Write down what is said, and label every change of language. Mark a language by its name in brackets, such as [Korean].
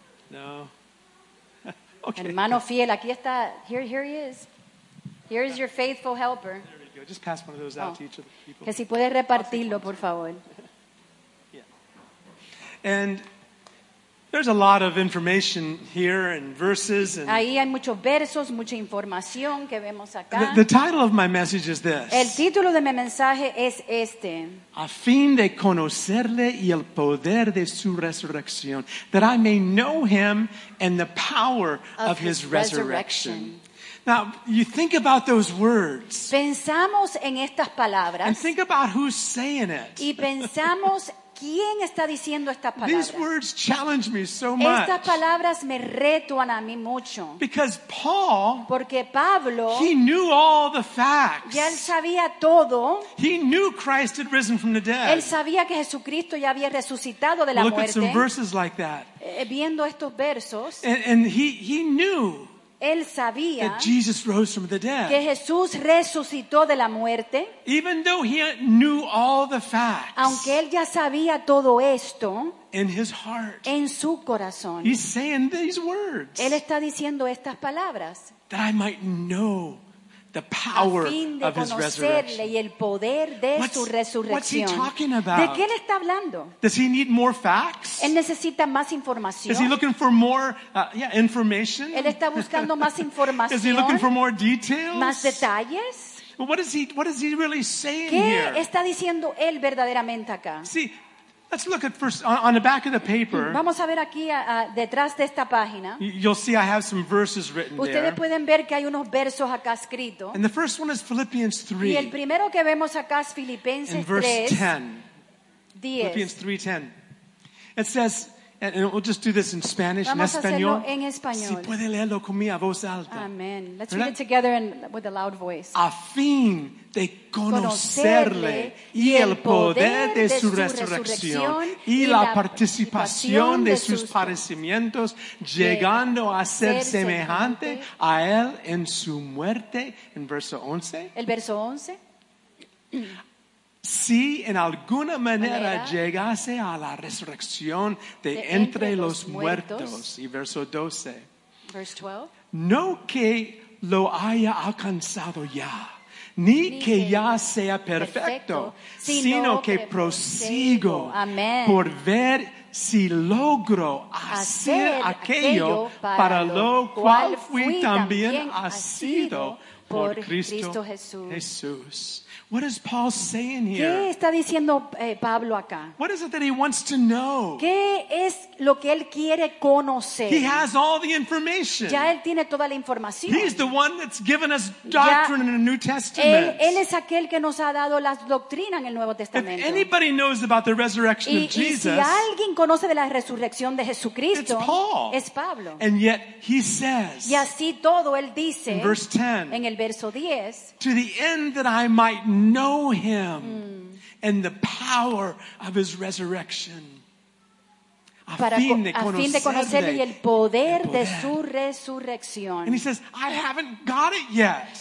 [English] No. Okay. [Spanish] Hermano fiel, aquí está. [English] Here he is. Here is your faithful helper. There we go. Just pass one of those out to each of the people. [Spanish] Que si puedes repartirlo, por favor. [English] Yeah. And there's a lot of information here and verses. And [Spanish] ahí hay muchos versos, mucha información que vemos acá. [English] The title of my message is this. [Spanish] El título de mi mensaje es este. A fin de conocerle y el poder de su resurrección, [English] that I may know him and the power of his resurrection. Now, you think about those words. [Spanish] Pensamos en estas palabras. [English] And think about who's saying it. [Spanish] Y pensamos ¿quién está diciendo estas palabras? [English] These words challenge me so much. [Spanish] Estas palabras me retan a mí mucho. [English] Because Paul, [Spanish] porque Pablo, [English] he knew all the facts. [Spanish] Ya él sabía todo. [English] He knew Christ had risen from the dead. [Spanish] Él sabía que Jesucristo ya había resucitado de la [English] look [Spanish] muerte. [English] At some verses like that. [Spanish] Viendo estos versos. [English] And he knew. [Spanish] Él sabía [English] that Jesus rose from the dead. [Spanish] Que Jesús resucitó de la muerte. [English] Even though he knew all the facts, [Spanish] aunque él ya sabía todo esto, [English] in his heart, [Spanish] en su corazón, [English] he's saying these words, [Spanish] él está diciendo estas palabras, [English] that I might know the power [Spanish] a fin de [English] of his resurrection. [Spanish] Y el poder de [English] what's, [Spanish] su resurrección. [English] What's he talking about? [Spanish] ¿De qué él está hablando? [English] Does he need more facts? [Spanish] Él necesita más información. [English] Is he looking for more information? [Spanish] Él está buscando más información. [English] Is he looking for more details? [Spanish] Más detalles. [English] What is he really saying [Spanish] ¿qué [English] here? [Spanish] ¿Qué está diciendo él verdaderamente acá? [English] See, let's look at first on the back of the paper. [Spanish] Vamos a ver aquí detrás de esta página. [English] You'll see I have some verses written [Spanish] ustedes [English] there. [Spanish] Ustedes pueden ver que hay unos versos acá escritos. [English] And the first one is Philippians 3. [Spanish] Y el primero que vemos acá es Filipenses 3. [English] In verse 10. Philippians 3:10. It says, and we'll just do this in Spanish. [Spanish] Vamos en español. A hacerlo en español. Si puede leerlo con mi voz alta. [English] Amen. Let's [Spanish] ¿verdad? [English] Read it together in, with a loud voice. [Spanish] A fin de conocerle y el poder de su resurrección y la participación de sus padecimientos, llegando a ser semejante a él en su muerte. En verso 11. El verso 11. Si en alguna manera llegase a la resurrección de entre los muertos. Y verso 12. No que lo haya alcanzado ya, ni que ya sea perfecto, sino que prosigo por ver si logro hacer aquello para lo cual fui también asido por Cristo Jesús. [English] What is Paul saying here? [Spanish] ¿Qué está diciendo Pablo acá? [English] What is it that he wants to know? [Spanish] ¿Qué es lo que él quiere conocer? [English] He has all the information. [Spanish] Ya él tiene toda la información. [English] He's the one that's given us doctrine in the New Testament. [Spanish] Él es aquel que nos ha dado la doctrina en el Nuevo Testamento. [English] If anybody knows about the resurrection of Jesus, [Spanish] y si alguien conoce de la resurrección de Jesucristo, [English] it's Paul. [Spanish] Es Pablo. [English] And yet he says, [Spanish] y así todo él dice, [English] in verse 10, [Spanish] en el verso 10, [English] to the end that I might know him and the power of his resurrection. [Spanish] A fin de conocerle y el poder de su resurrección. [English] And he says, I haven't got it yet.